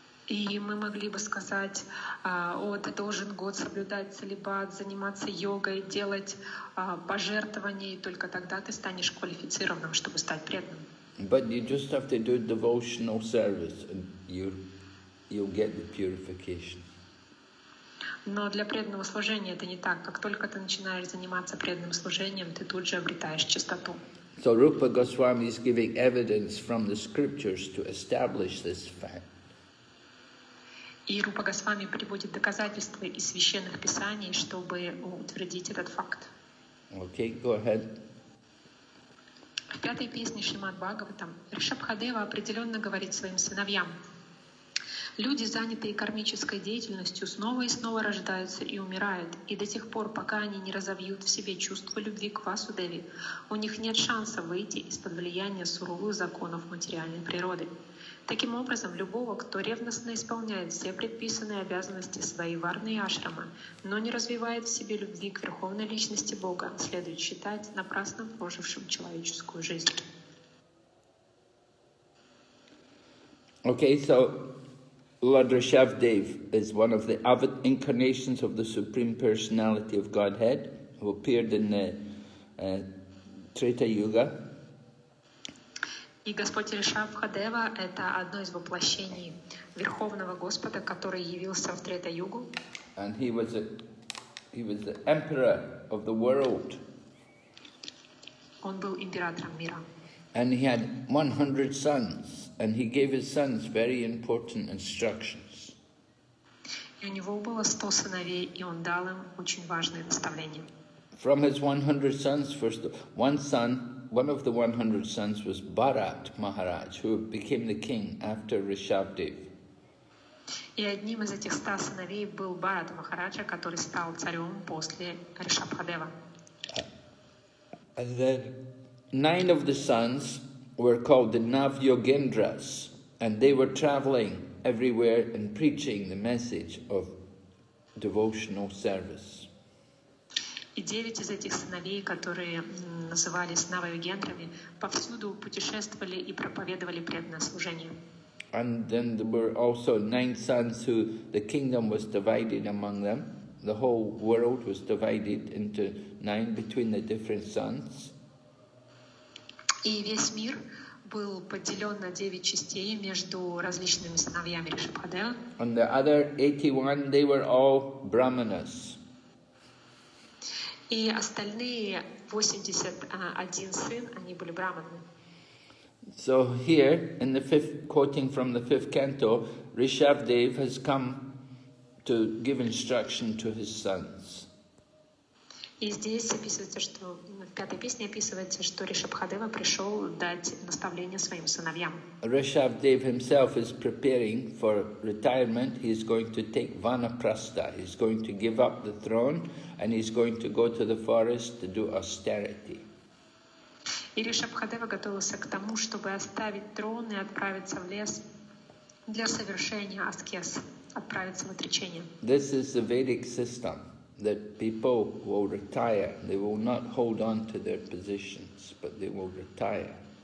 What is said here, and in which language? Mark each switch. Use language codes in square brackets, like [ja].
[ru] И мы могли бы сказать, о, ты должен год соблюдать целибат, заниматься йогой, делать пожертвования, и только тогда ты станешь квалифицированным, чтобы стать преданным. [en] But you just have to do devotional service, and you'll get the purification. [ru] Но для преданного служения это не так. Как только ты начинаешь заниматься преданным служением, ты тут же обретаешь чистоту. [en] So Rupa Goswami is giving evidence from the scriptures to establish this fact. [ru] И Рупа Госвами приводит доказательства из священных писаний, чтобы утвердить этот факт. [en] Okay, go ahead. [ru] В пятой песне Шримад Бхагаватам Ришабхадева определенно говорит своим сыновьям: люди, занятые кармической деятельностью, снова и снова рождаются и умирают, и до тех пор, пока они не разовьют в себе чувство любви к Васудеве, у них нет шанса выйти из-под влияния суровых законов материальной природы. Таким образом, любого, кто ревностно исполняет все предписанные обязанности своей варны и ашрама, но не развивает в себе любви к Верховной Личности Бога, следует считать напрасно прожившим человеческую жизнь. [en] Okay, so Lord Rishabhdev is one of the incarnations of the Supreme Personality of Godhead, who appeared in the Treta Yuga. [ru] И Господь Ришабхадева — это одно из воплощений Верховного Господа, который явился в Трета-югу. [en] And he was the emperor of the world. [ru] Он был императором мира. [en] And he had 100 sons, and he gave his sons very important instructions. [ru] И у него было 100 сыновей, и он дал им очень важные наставления. [en] From his 100 sons, first one son, one of the 100 sons was Bharat Maharaj, who became the king after Rishabhdev. [ru] И одним из этих 100 сыновей был Бхарат Махараджа, который стал царем после Ришабхадева. [en] And then 9 of the sons were called the Navyogendras, and they were traveling everywhere and preaching the message of devotional service. [ru] И 9 из этих сыновей, которые назывались Навайогендрами, повсюду путешествовали и проповедовали преданное служение. [en] And then there were also 9 sons who the kingdom was divided among them. The whole world was divided into 9 between the different sons. [ru] И весь мир был поделен на 9 частей между различными сыновьями Ришабхадева. [en] And the other 81, they were all brahmanas. [ru] И остальные 81 сын, они были браманы. [en] So here, in the fifth, quoting from the fifth canto, Rishabhdev has come to give instruction to his sons. [ru] И здесь описывается, что в пятой песне описывается, что Ришабхадева пришел дать наставление своим сыновьям. [en] Rishabhdev himself is preparing for retirement. He is going to take vanaprastha. He is going to give up the throne, and he is going to go to the forest to do austerity. [ru] И Ришабхадева готовился к тому, чтобы оставить трон и отправиться в лес для совершения аскез, отправиться в отречение. [en] This is the Vedic system that people will retire. They will not hold on to their positions, but they will retire.